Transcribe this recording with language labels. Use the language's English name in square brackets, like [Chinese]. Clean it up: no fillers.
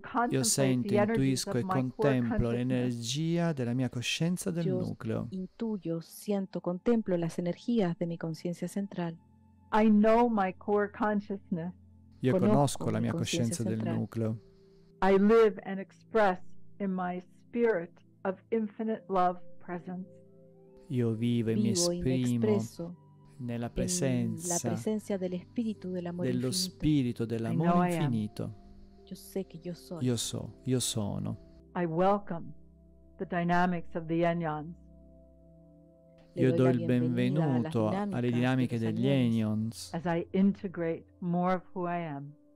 [Italian] Io sento, intuisco e contemplo l'energia della mia coscienza del nucleo. [Spanish] Intuyo, siento, contemplo las energías de mi conciencia central. [English] I know my core consciousness. [Italian] Io conosco la mia coscienza del nucleo. [English] I live and express in my spirit of infinite love presence. [Italian] Io vivo e mi esprimo nella presenza, la presenza dell'espirito dell'amore dello spirito dell'amore infinito. Io so che io sono. Io sono. [English] I welcome the dynamics of the anions. [Italian] Io do il benvenuto alle dinamiche degli anions. [English] As I integrate more of who I am.